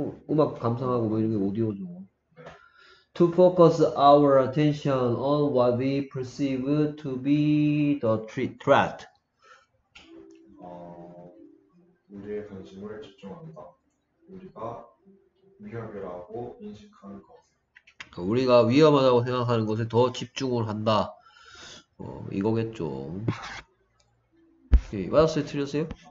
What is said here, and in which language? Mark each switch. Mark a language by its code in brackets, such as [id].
[ko] 음악 감상하고 뭐 이런 게 오디오죠. [en] To focus our attention on what we perceive to be the threat. [ko] 우리의 관심을 집중한다. 우리가 위협이라고 인식하는 것. 우리가 위험하다고 생각하는 것에 더 집중을 한다. 이거겠죠. 오케이, 맞았어요? 틀렸어요?